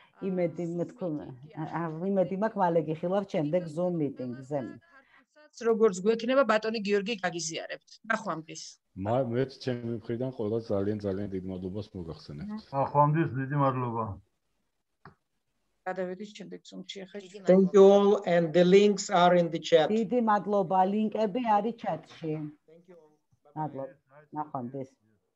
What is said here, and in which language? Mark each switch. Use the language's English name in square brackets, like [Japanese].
[Georgian] იმედი მთქონა, იმედი მაქვს მალე გიხილავ შემდეგ Zoom meeting-ზე. როგორც გვექნება ბატონი გიორგი გაგიზიარებთ. ნახვამდის. მეც ჩემი მხრიდან ყველა ძალიან ძალიან დიდ მადლობას მოგახსენებთ. ნახვამდის, დიდი მადლობა. გადავედით შემდეგ Zoom-ში ახლა. [English] Thank you all and the links are in the chat. [Georgian] დიდი მადლობა, ლინკები არის chat-ში. [English] Thank you all. [Georgian] მადლობა. ნახვამდის.